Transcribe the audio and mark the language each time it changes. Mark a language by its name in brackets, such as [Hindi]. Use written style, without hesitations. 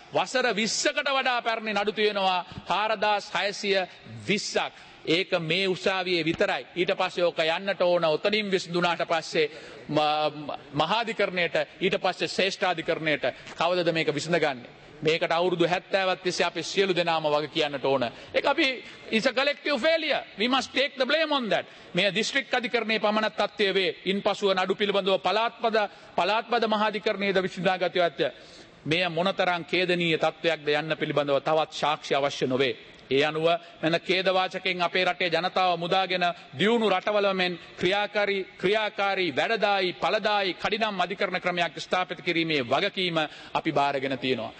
[Sinhala] වසර 20කට වඩා පැරණි නඩු තියෙනවා 4,620ක්. ඒක මේ උසාවියේ විතරයි. ඊට පස්සේ ඕක යන්නට ඕන උතනින් විසඳුනාට පස්සේ මහාධිකරණයට ඊට පස්සේ ශ්‍රේෂ්ඨාධිකරණයට කවදද මේක විසඳගන්නේ? මේකට අවුරුදු 70ක් තිස්සේ අපි සියලු දෙනාම වග කියන්නට ඕන. ඒක අපි [English] is a collective failure. We must take the blame on that. [Sinhala] මේ දිස්ත්‍රික් අධිකරණයේ පමණක් තත්ත්වය වේ. ඉන්පසුව නඩු පිළිබඳව පළාත්පද මහාධිකරණයේද විසඳාගත යුතුය. මේ මොනතරම් ඛේදනීය තත්ත්වයක්ද යන්න පිළිබඳව තවත් සාක්ෂි අවශ්‍ය නොවේ. ඒ අනුව මෙන ඛේදවාචකෙන් අපේ රටේ ජනතාව මුදාගෙන දියුණු රටවල මෙන් ක්‍රියාකාරී වැඩදායි ඵලදායි කඩිනම් අධිකරණ ක්‍රමයක් ස්ථාපිත කිරීමේ වගකීම අපි බාරගෙන තියෙනවා.